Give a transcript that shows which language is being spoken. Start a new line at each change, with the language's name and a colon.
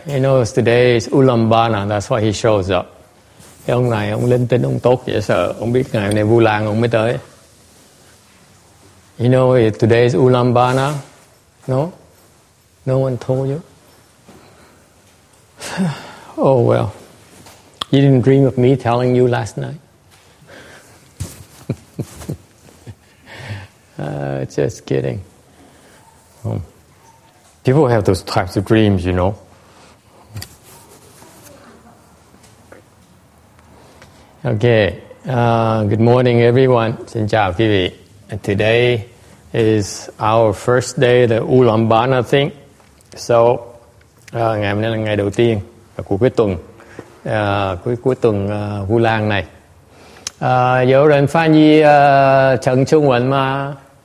English: He knows today is Ulambana, that's why he shows up.
Vietnamese: Cái ông này ông linh tính ông tốt dễ sợ, ông biết ngày hôm nay Vu Lan ông mới tới.
English: You know today is Ulambana? No? No one told you? Oh well. You didn't dream of me telling you last night? Just kidding. People have those types of dreams, you know. Okay. Good morning, everyone.
Vietnamese: Xin chào quý vị.
English: Today is our first day of the Ulambana thing.
Vietnamese: So, ngày hôm nay là ngày đầu tiên của cuối tuần. Cuối tuần Vu Lan này. Có người phan nhi trận Trung Quận mà.